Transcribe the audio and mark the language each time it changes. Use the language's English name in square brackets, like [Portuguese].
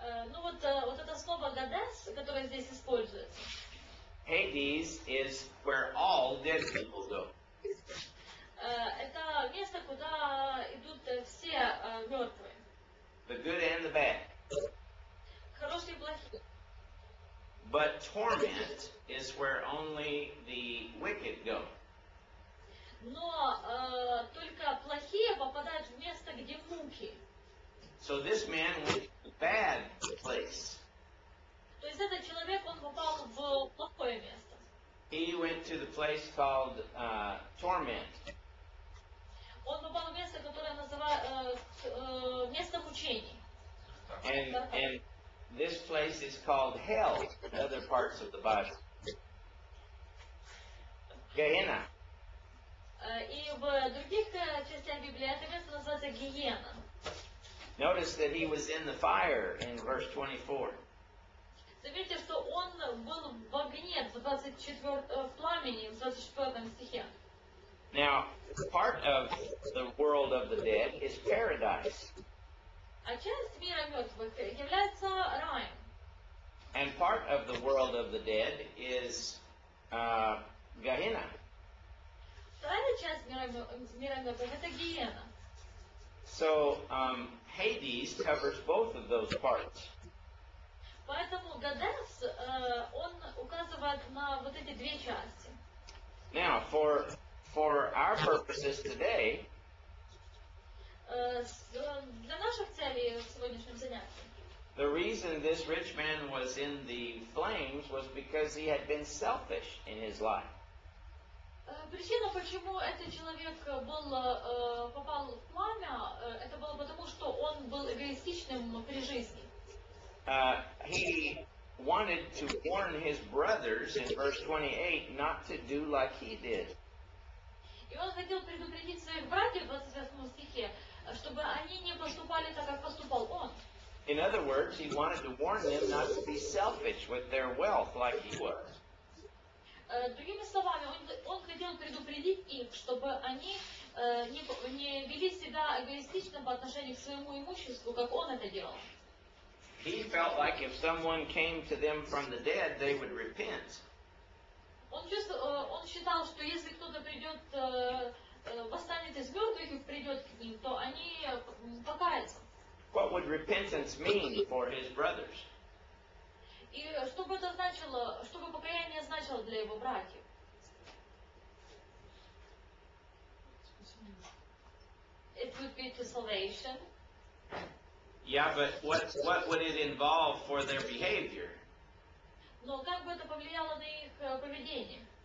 [Russian] Ну вот, вот это слово Гадес, которое здесь используется. [English] Hades is where all dead people go. [Russian] Это место, куда идут все мертвые. [English] The good and the bad. [Russian] Хорошие и плохие. [English] But torment is where only the wicked go. [Russian] Но только плохие попадают в место, где муки. [English] So this man was a bad place. [Russian] То есть этот человек, он попал в плохое место. [English] He went to the place called torment. [Russian] Он попал в место, которое называют место мучений. [English] And this place is called hell in other parts of the Bible. [Russian] Гиена. И в других частях Библии это место называется гиена. [English] Notice that he was in the fire in verse 24. [Russian] Заметьте, что он был в огне в 24 пламени в 24 стихе. [English] Now, part of the world of the dead is paradise. [Russian] А часть мира мертвых является раем. [English] And part of the world of the dead is Gehenna. [Russian] Вторая часть мира мертвых — это Гиена. [English] So Hades covers both of those parts. [Russian] Поэтому Гадес, он указывает на вот эти две части. [English] Now, for our purposes today, [Russian] для наших целей в сегодняшнем занятии, [English] the reason this rich man was in the flames was because he had been selfish in his life. [Russian] Причина, почему этот человек был, попал в пламя, это было потому, что он был эгоистичным при жизни. [English] He wanted to warn his brothers in verse 28 not to do like he did. [Russian] И он хотел предупредить своих братьев в 28 стихе, чтобы они не поступали так, как поступал он. [English] In other words, he wanted to warn them not to be selfish with their wealth like he was. [Russian] Другими словами, он хотел предупредить их, чтобы они не вели себя эгоистично по отношению к своему имуществу, как он это делал. [English] He felt like if someone came to them from the dead, they would repent. [Russian] Он считал, что если кто-то придет, восстанет из мертвых и придет к ним, то они покаятся. [English] What would repentance mean for his brothers? [Russian] И что бы это значило, что бы покаяние значило для его братьев? [English] It would be to salvation. Yeah, but what would it involve for their behavior? [Russian] Но как бы это повлияло на их поведение?